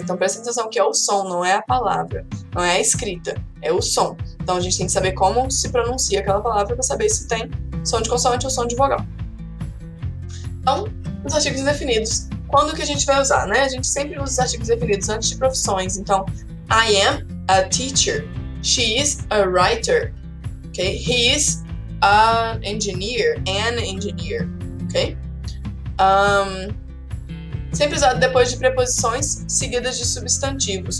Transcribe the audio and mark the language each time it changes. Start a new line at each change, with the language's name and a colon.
Portuguese: Então presta atenção que é o som, não é a palavra, não é a escrita, é o som. Então a gente tem que saber como se pronuncia aquela palavra para saber se tem som de consoante ou som de vogal. Então, os artigos indefinidos, quando que a gente vai usar, né? A gente sempre usa os artigos definidos antes de profissões.
English: Então, I am a teacher. She is a writer. Okay? He is an engineer, an engineer, ok?
Portuguese: Sempre usado depois de preposições seguidas de substantivos.